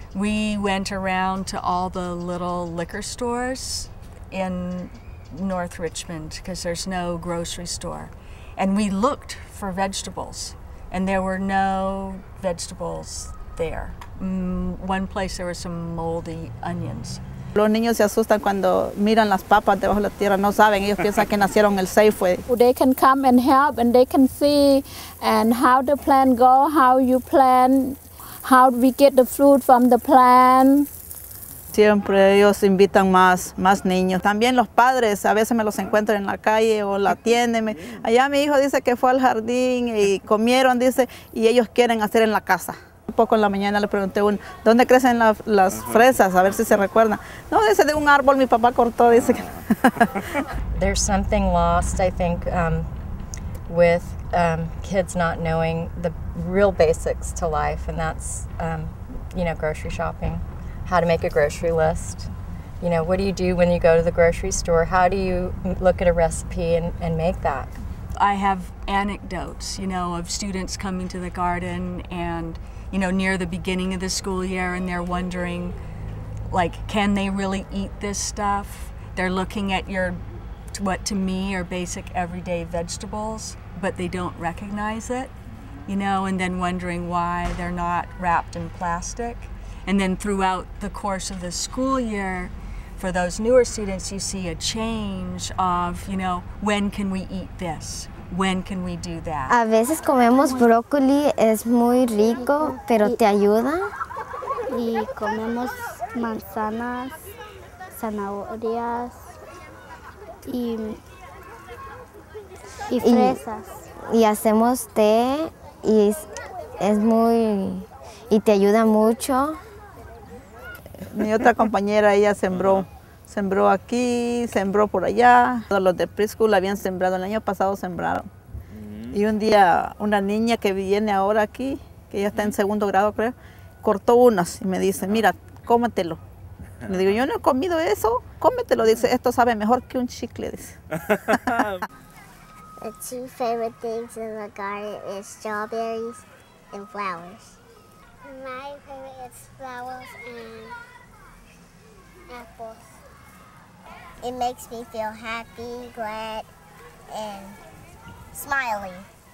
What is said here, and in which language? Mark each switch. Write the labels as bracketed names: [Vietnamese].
[English] We went around to all the little liquor stores in North Richmond because there's no grocery store. And we looked for vegetables, and there were no vegetables there. One place there were some moldy onions. [Spanish] Los niños se asustan cuando miran las papas debajo de la tierra. No saben, ellos piensan que nacieron el Safeway. [English] They can come and help, and they can see and how the plan go, how you plan, how we get the fruit from the plan. [Spanish] Siempre ellos invitan más niños. También los padres, a veces me los encuentro en la calle o la tienda. Allá mi hijo dice que fue al jardín y comieron, dice, y ellos quieren hacer en la casa. Poco en la mañana le pregunté un ¿dónde crecen las fresas? A ver si se recuerda. No, dice de un árbol mi papá cortó, dice que. [English] There's something lost, I think, with kids not knowing the real basics to life, and that's grocery shopping, how to make a grocery list. You know, what do you do when you go to the grocery store? How do you look at a recipe and make that? I have anecdotes, you know, of students coming to the garden and near the beginning of the school year, and they're wondering, like, can they really eat this stuff? They're looking at your, what to me are basic everyday vegetables, but they don't recognize it, and then wondering why they're not wrapped in plastic. And then throughout the course of the school year, for those newer students, you see a change of, when can we eat this? When can we do that? [Spanish] A veces comemos brócoli, es muy rico, pero te ayuda. Y comemos manzanas, zanahorias y fresas. Y hacemos té y es muy y te ayuda mucho. Mi otra compañera, ella sembró. Sembró aquí, sembró por allá. Todos los de preschool habían sembrado, el año pasado sembraron. Mm-hmm. Y un día una niña que viene ahora aquí, que ya está en segundo grado creo, cortó unas y me dice, mira, cómetelo. Le digo, yo no he comido eso, cómetelo. Dice, esto sabe mejor que un chicle, dice. [English] The 2 favorite things in the garden is strawberries and flowers. My favorite is flowers and apples. It makes me feel happy, glad, and smiley.